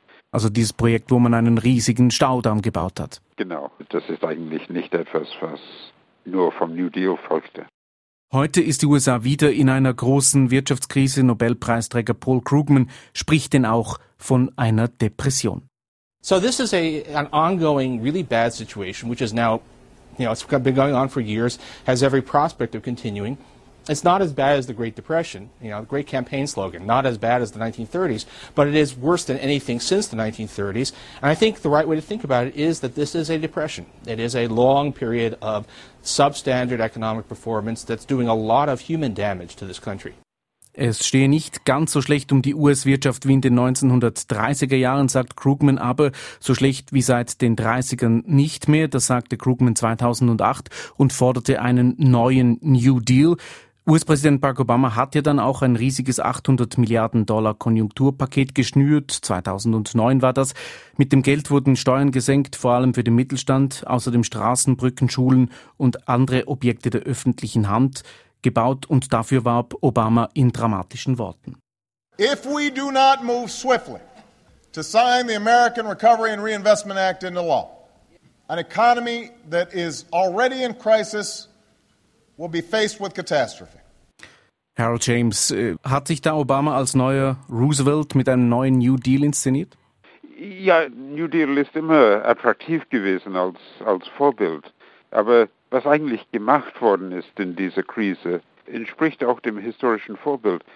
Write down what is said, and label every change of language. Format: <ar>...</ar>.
<de>Also dieses Projekt, wo man einen riesigen Staudamm gebaut hat. Genau, das ist eigentlich nicht etwas, was nur vom New Deal folgte. Heute ist die USA wieder in einer großen Wirtschaftskrise. Nobelpreisträger Paul Krugman spricht denn auch von einer Depression.</de> <en>So this is an ongoing, really bad situation, which is now, it's been going on for years, has every prospect of continuing. It's not as bad as the Great Depression, the great campaign slogan, not as bad as the 1930s, but it is worse than anything since the 1930s. And I think the right way to think about it is that this is a depression. It is a long period of substandard economic performance that's doing a lot of human damage to this country.</en> <de>Es stehe nicht ganz so schlecht um die US-Wirtschaft wie in den 1930er Jahren, sagt Krugman, aber so schlecht wie seit den 30ern nicht mehr. Das sagte Krugman 2008 und forderte einen neuen New Deal. US-Präsident Barack Obama hat ja dann auch ein riesiges 800 Milliarden Dollar Konjunkturpaket geschnürt. 2009 war das. Mit dem Geld wurden Steuern gesenkt, vor allem für den Mittelstand, außerdem Straßen, Brücken, Schulen und andere Objekte der öffentlichen Hand gebaut, und dafür warb Obama in dramatischen Worten.</de> <en>If we do not move swiftly to sign the American Recovery and Reinvestment Act into law, an economy that is already in crisis will be faced with catastrophe.</en> <de>Harold James, hat sich da Obama als neuer Roosevelt mit einem neuen New Deal inszeniert? Ja, New Deal ist immer attraktiv gewesen als Vorbild, aber was eigentlich gemacht worden ist in dieser Krise, entspricht auch dem historischen Vorbild.</de>